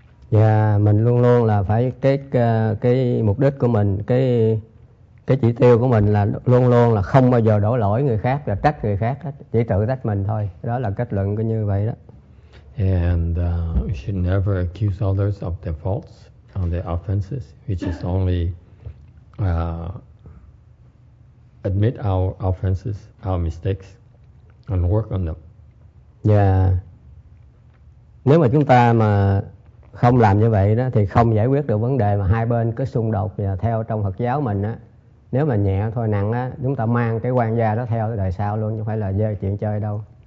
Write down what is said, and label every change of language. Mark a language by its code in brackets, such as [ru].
[vi] Yeah, mình luôn luôn là phải cái mục đích của mình, cái chỉ tiêu của mình là luôn luôn là không bao giờ đổ lỗi người khác và trách người khác, chỉ tự trách mình thôi. Đó là kết luận cứ như vậy đó. [en] And we should never accuse others of their faults or their offenses, which is only admit our offenses, our mistakes, and work on them. [vi] Yeah. Nếu mà chúng ta mà không làm như vậy đó thì không giải quyết được vấn đề mà hai bên cứ xung đột. Và theo trong Phật giáo mình á, nếu mà nhẹ thôi, nặng á, chúng ta mang cái quan gia đó theo đời sau luôn, chứ không phải là chuyện chơi đâu.